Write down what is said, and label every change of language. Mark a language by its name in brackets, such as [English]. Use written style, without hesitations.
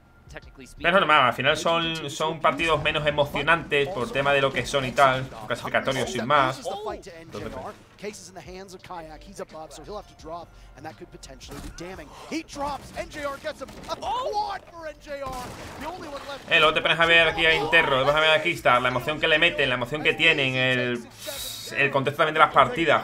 [Spanish] Pero es normal, al final son partidos menos emocionantes por tema de lo que son y tal, clasificatorios sin más. [English] Cases in the hands of Kayak. He's above, so he'll have to drop, and that could potentially be damning. He drops. NJR gets a quad for NJR. The only one left. [Spanish] Luego te pones a ver aquí a Interro. Vas a ver aquí está la emoción que le meten, la emoción que tienen, el contexto también de las partidas.